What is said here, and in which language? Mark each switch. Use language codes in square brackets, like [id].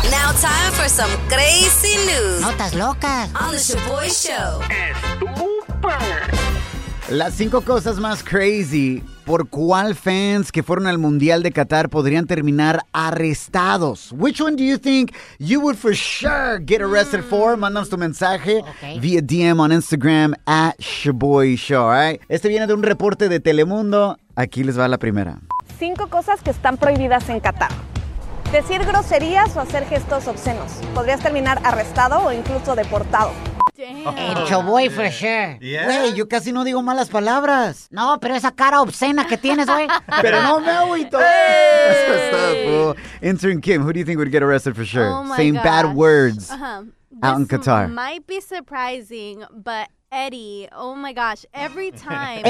[en] Now time for some crazy news. [es] Notas locas. [en] On the Shaboy Show. [es] Estúpido. Las cinco cosas más crazy por cuál fans que fueron al Mundial de Qatar podrían terminar arrestados. [en] Which one do you think you would for sure get arrested for? [es] Mándanos tu mensaje via DM [en] on Instagram at Shaboy Show, right? [es] Este viene de un reporte de Telemundo. Aquí les va la primera. Cinco cosas que están prohibidas en Qatar. Decir groserías o hacer gestos obscenos. Podrías terminar arrestado o incluso deportado. El Shaboy [en] for sure. [es] Güey, yo casi no digo malas palabras. No, pero esa cara obscena que tienes, güey. Pero no me agüito. Hey. [en] That's up, well, intern Kim, who do you think would get arrested for sure? Oh my Saying gosh. Bad words out in Qatar. Might be surprising, but Eddie, oh my gosh, every time.